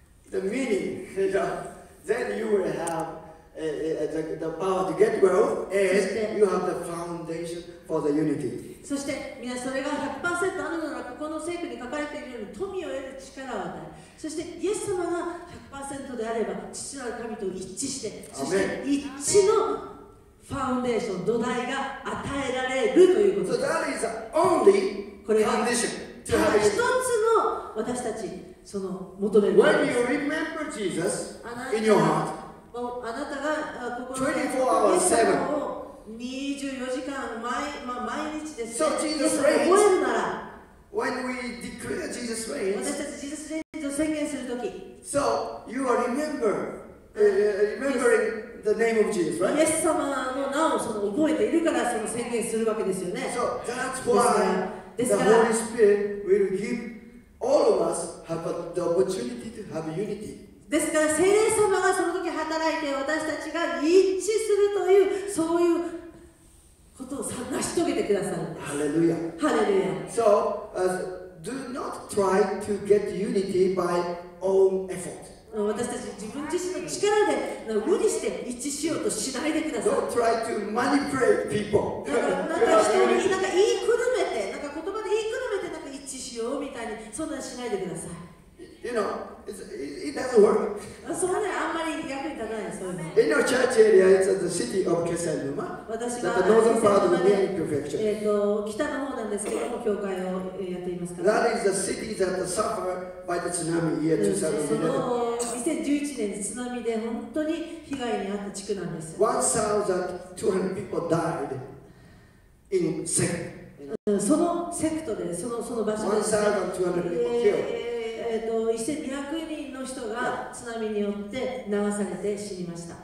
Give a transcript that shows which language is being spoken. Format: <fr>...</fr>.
<en>the meaning then you will have the power to get wealth and you have the foundation for the unity.</en> <ja>そして皆それが 100% あるならここの聖句に書かれているように富を得る力を与え、そしてイエス様が 100% であれば父なる神と一致して、そして一致のファウンデーション土台が与えられるということです。</ja> <en>So that is the only foundation to have it.</en> <ja>ただ一つの私たちその求めるものです。</ja> <en>When you remember Jesus in your heart,</en> <ja>あなたが心にイエス様を24時間 毎日ですね、イエス様を覚えるなら、</ja> <en>When we declare Jesus reigns,</en> <ja>私たちジーザスレインズを宣言するとき、</ja> <en>So you are remembering the name of Jesus, right?</en> <ja>イエス様の名をその覚えているからその宣言するわけですよね。</ja> <en>So that's why the Holy Spirit will give all of us have the opportunity to have unity.</en> <ja>ですから聖霊様がその時働いて私たちが一致するというそういうことを成し遂げてくださる。ハレルヤ。ハレルヤ。</ja> <en>So, do not try to get unity by own effort.</en> <ja>私たち自分自身の力で無理して一致しようとしないでください。</ja> <en>Don't try to manipulate people.</en> <ja>なんか人になんか言いくるめて、なんか言葉で言いくるめてなんか一致しようみたいにそんなしないでください。</ja> <en>You know, it doesn't work.</en> <ja>そうね、あんまり役に立たないですね。</ja> <en>In our church area, it's the city of Kesennuma.</en> <ja>私は</ja> <en>northern part of the prefecture.</en> <ja>北の方なんですけども、教会をやっていますから。</ja> <en>That is the city that suffered by the tsunami year 2011.</en> <ja>その2011年津波で本当に被害に遭った地区なんです。</ja> <en>1,200 people died in sect.</en> <ja>そのセクトで、その場所で。</ja> <en>1,200 people killed.</en> <ja>1200人の人が津波によって流されて死にました。</ja>